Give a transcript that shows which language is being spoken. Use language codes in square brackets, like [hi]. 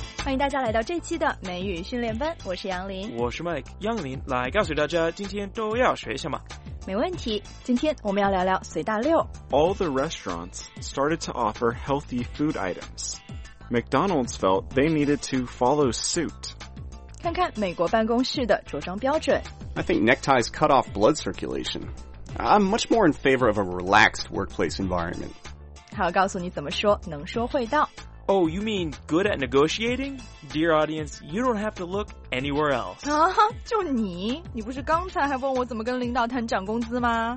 [zh] 迎大家来到这期的美语训练班，我是杨林，我是 Mike 杨林，来告诉大家今天都要学什么。没问题，今天我们要聊聊随大溜。 [en] All the restaurants started to offer healthy food items. McDonald's felt they needed to follow suit. [zh] 看看美国办公室的着装标准。 [en] I think neckties cut off blood circulation. I'm much more in favor of a relaxed workplace environment. [zh] 还要告诉你怎么说，能说会道。 [en] Oh, you mean good at negotiating? Dear audience, you don't have to look anywhere else. [zh] 啊，就你？你不是刚才还问我怎么跟领导谈涨工资吗？